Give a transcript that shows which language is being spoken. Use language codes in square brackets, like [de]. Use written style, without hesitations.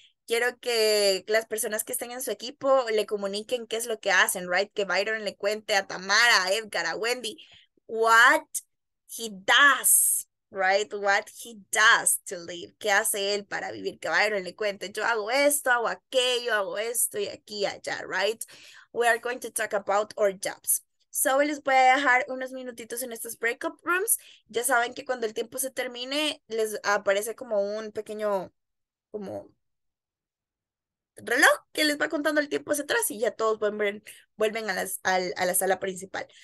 [es] Quiero que las personas que estén en su equipo le comuniquen qué es lo que hacen, right? Que Byron le cuente a Tamara, a Edgar, a Wendy, [en] what he does, [es] right? [en] What he does to live. [es] ¿Qué hace él para vivir? Que Byron le cuente, yo hago esto, hago aquello, hago esto y aquí y allá, right? [en] We are going to talk about our jobs. [es] So, les voy a dejar unos minutitos en estos breakup rooms. Ya saben que cuando el tiempo se termine, les aparece como un pequeño, como, reloj que les va contando el tiempo hacia atrás y ya todos vuelven a la sala principal.